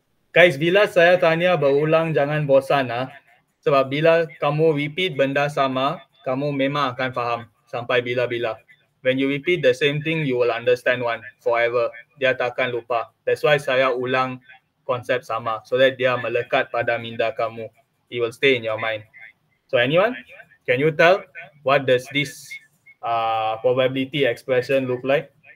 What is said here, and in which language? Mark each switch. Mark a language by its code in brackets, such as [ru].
[ms] Guys, bila saya tanya berulang jangan bosan ah. Sebab bila kamu repeat benda sama, kamu memang akan faham sampai bila-bila. [en] When you repeat the same thing, you will understand one forever. [ms] Dia takkan lupa. [en] That's why [ms] saya ulang konsep sama. [en] So that [ms] dia melekat pada minda kamu. [en] It will stay in your mind. So anyone, can you tell what does this probability expression look like?